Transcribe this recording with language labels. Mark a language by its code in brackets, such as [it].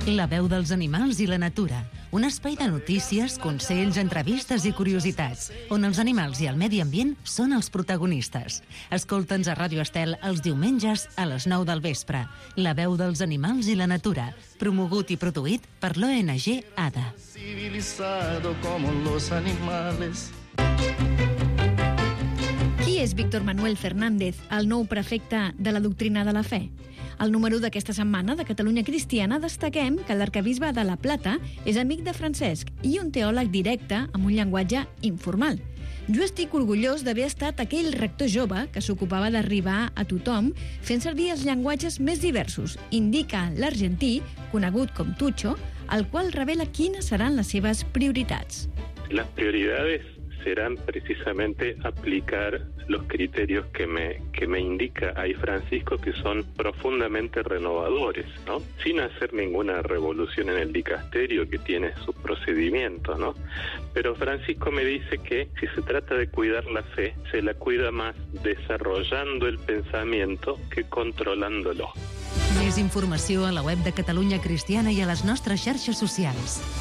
[ca] La veu dels animals i la natura. Un espai de notícies, consells, entrevistes i curiositats, on els animals i el medi ambient són els protagonistes. Escolta'ns a Ràdio Estel els diumenges a les 9 del vespre. La veu dels animals i la natura. Promogut i produït per l'ONG ADA. [es] Civilizado como los animales. [ca] Qui és Víctor Manuel Fernández, el nou prefecte de la Doctrina de la Fe? Al número d'aquesta setmana de Catalunya Cristiana destaquem que l'arcabisbe de La Plata és amic de Francesc i un teòleg directe amb un llenguatge informal. Jo estic orgullós d'haver estat aquell rector jove que s'ocupava d'arribar a tothom fent servir els llenguatges més diversos, indica l'argentí, conegut com Tucho, el qual revela quines seran les seves prioritats. Les prioritats seran [es] precisamente aplicar los criterios que me indica ahí Francisco, que son profundamente renovadores, ¿no? Sin hacer ninguna revolución en el dicasterio, que tiene sus procedimientos, ¿no? Pero Francisco me dice que si se trata de cuidar la fe, se la cuida más desarrollando el pensamiento que controlándolo. [ca] Més informació a la web de Catalunya Cristiana i a les nostres xarxes socials.